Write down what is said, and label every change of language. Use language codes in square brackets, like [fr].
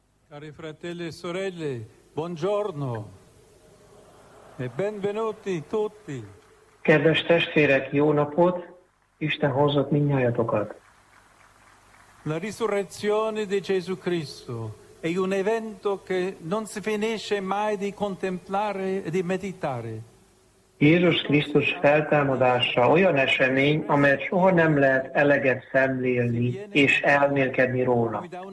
[it] Cari fratelli e sorelle, buongiorno e benvenuti tutti. [hu] Kedves testvérek, jó napot! Isten hozott mindnyájatokat. [it] La risurrezione di Gesù Cristo è un evento che non si finisce mai di contemplare e di meditare. [hu] Jézus Krisztus feltámadása olyan esemény, amelyet soha nem lehet eleget szemlélni és elmélkedni róla.